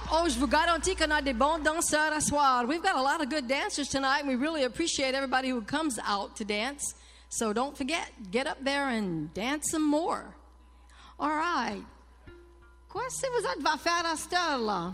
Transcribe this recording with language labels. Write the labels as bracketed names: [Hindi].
[English] We guarantee [French] qu'on a des bons danseurs à soir. [English] We've got a lot of good dancers tonight, and we really appreciate everybody who comes out to dance. So don't forget, get up there and dance some more. All right. [French] Qu'est-ce que vous êtes va faire à cette heure-là?